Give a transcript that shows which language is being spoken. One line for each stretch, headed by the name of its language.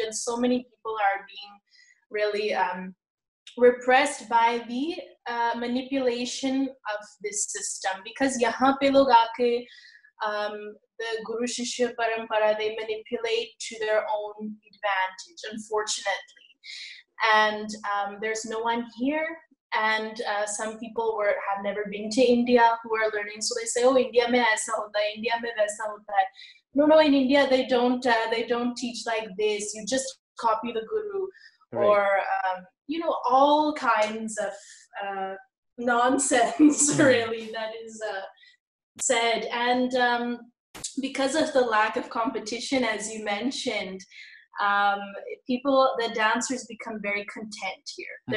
English: And so many people are being really repressed by the manipulation of this system, because
Hindi: yahan pe log aake,
English: the Guru Shishya Parampara, they manipulate to their own advantage, unfortunately. And there's no one here And some people were have never been to India who are learning. So they say, oh,
Hindi: India में ऐसा होता है, India में वैसा होता है.
English: No, no, in India, they don't teach like this. You just copy the guru. Right. Or, you know, all kinds of nonsense, really, that is said. And because of the lack of competition, as you mentioned, people, the dancers become very content here. Mm-hmm.